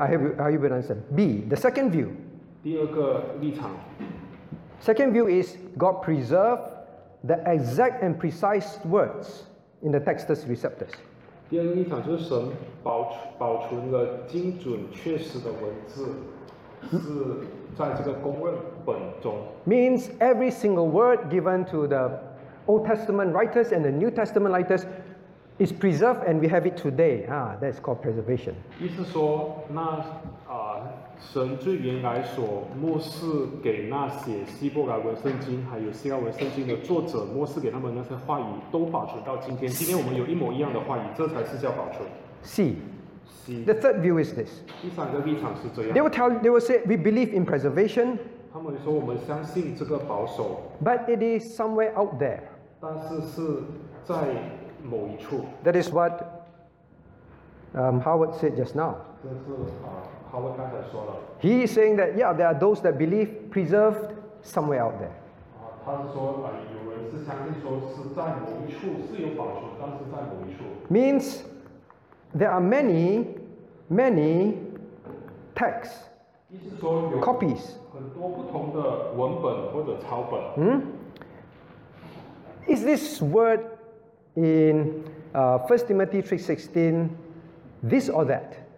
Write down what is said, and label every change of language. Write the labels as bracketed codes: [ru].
[en] Are you with answer? B, the second view. [zh] 第二个立场。 [en] Second view is God preserved the exact and precise words in the textus receptus. [zh] 第二个立场就是神保存了精准确实的文字，是在这个公论本中。 [en] Means every single word given to the Old Testament writers and the New Testament writers is preserved, and we have it today. Ah, that's called preservation. [zh] 意思说，那神最原来所默示给那些希伯来文圣经还有希腊文圣经的作者默示给他们那些话语都保存到今天。今天我们有一模一样的话语，这才是叫保存。 [en] See, the third view is this. [zh] 第三个立场是这样。 [en] They will say we believe in preservation. [zh] 他们说我们相信这个保守。 [en] But it is somewhere out there. [zh] 但是是在某一处。 [en] That is what Howard said just now. [zh] 这是Howard 刚才说了。 [en] He is saying that, yeah, there are those that believe preserved somewhere out there. [zh] 他是说有人是相信说是在某一处是有保存，但是在某一处。 [en] Means there are many, many texts. [zh] 意思说有 [en] copies. [zh] 很多不同的文本或者抄本。 [en] Is this word in 1 Timothy 3:16 this or that?